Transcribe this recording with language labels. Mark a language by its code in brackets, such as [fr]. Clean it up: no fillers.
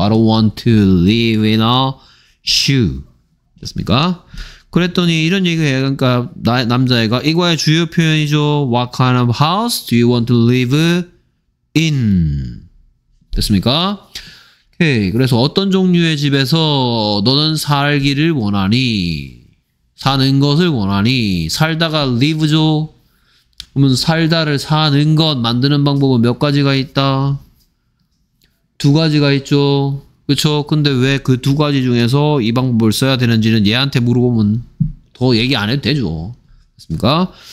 [en] I don't want to live in a shoe. [ko] 됐습니까? 그랬더니 이런 얘기가 그러니까 남자애가 이거의 주요 표현이죠. [en] What kind of house do you want to live in? [ko] 됐습니까? 오케이. 그래서 어떤 종류의 집에서 너는 살기를 원하니? 사는 것을 원하니 살다가 live죠. 그러면 살다를 사는 것 만드는 방법은 몇 가지가 있다? 두 가지가 있죠. 그렇죠? 근데 왜 그 두 가지 중에서 이 방법을 써야 되는지는 얘한테 물어보면 더 얘기 안 해도 되죠. 됐습니까?